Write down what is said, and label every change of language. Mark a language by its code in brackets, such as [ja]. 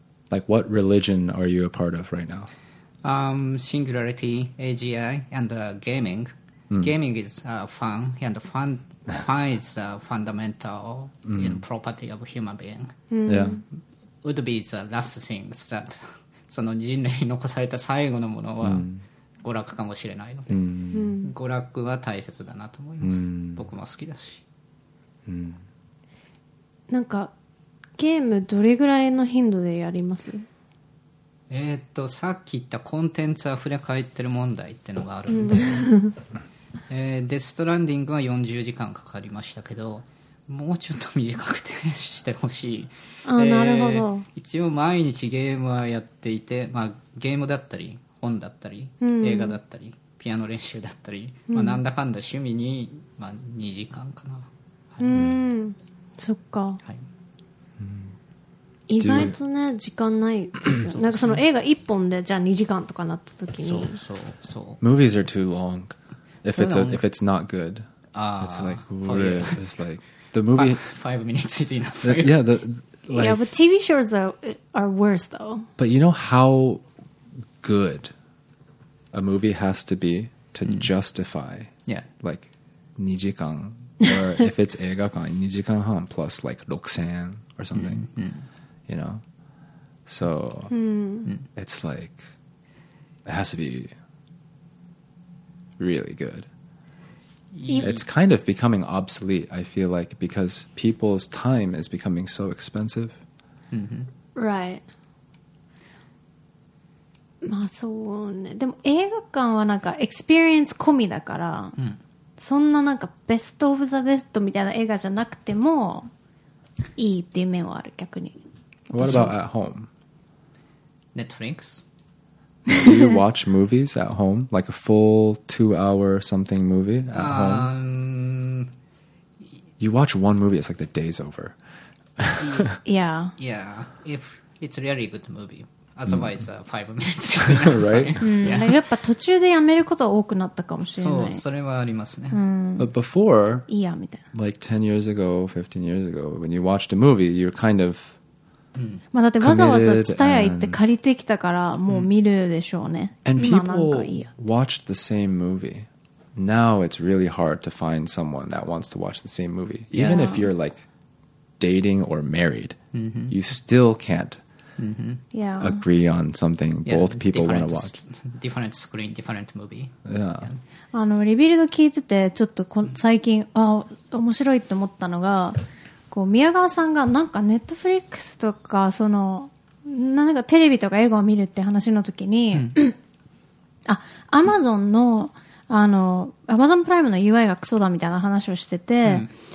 [en] like what religion are you a part of right now? Singularity, AGI, and gaming. Mm. Gaming is fun, and fun is a fundamental property of a human being. Mm. Yeah. Would be the last things that [ja] その人類に残された最後のものは娯楽かもしれないので、うん、娯楽は大切だなと思います、うん、僕も好きだし、うん、なんかゲームどれぐらいの頻度でやります？さっき言ったコンテンツあふれ返ってる問題ってのがあるんで、うん、デストランディングは40時間かかりましたけど、もうちょっと短くてしてほしい。あ、なるほど。一応毎日ゲームはやっていて、まあ、ゲームだったり本だったり、うん、映画だったりピアノ練習だったり、うん、まあ、なんだかんだ趣味に、まあ、2時間かな、はい、うん、そっか、はい、意外とね時間ないですよ。なんかその映画1本でじゃあ2時間とかなった時に、そうそう、 [en] Movies are too long if it's, a, if it's not good. It's like really, it's like the movie 5 minutes is enough. Yeah, the like, yeah, but TV shows are worse though. But you know how good a movie has to be to justify, yeah, like [ja] 2時間 [en] or if it's [ja] 映画館2時間半 [en] plus like 6,000 or something. You know, so it's like it has to be really good. It's kind of becoming obsolete, I feel like, because people's time is becoming so expensive. Right. [ja] まあそうね。でも映画館はなんかエクスペリエンス込みだから、そんななんかベストオブザベストみたいな映画じゃなくてもいいっていう面はある、逆に。 [en] What about at home? Netflix? Do you watch movies at home? Like a full 2 hour something movie at home? You watch one movie, it's like the day's over. Yeah. Yeah. If it's a really good movie. Otherwise, it's 5 minutes. Right? [ja] やっぱ途中でやめること多くなったかもしれない。そう、それはありますね。 [en] But before, [ja] いいやみたいな。 [en] Like 10 years ago, 15 years ago, when you watched a movie, you're kind of... [ja] まあ、だってわざわざツタヤ行って借りてきたからもう見るでしょうね。 [en] And people watched the same movie. Now it's really hard to find someone that wants to watch the same movie. Even if you're like dating or married, you still can't agree on something both people want to watch. Different screen, different movie. Yeah. [ja] あのリビルド聞いててちょっと最近あ面白いって思ったのが、宮川さんがなんかネットフリックスとかそのなんかテレビとか映画を見るって話の時に、あ、アマゾンのあのアマゾンプライムの UI がクソだみたいな話をしてて、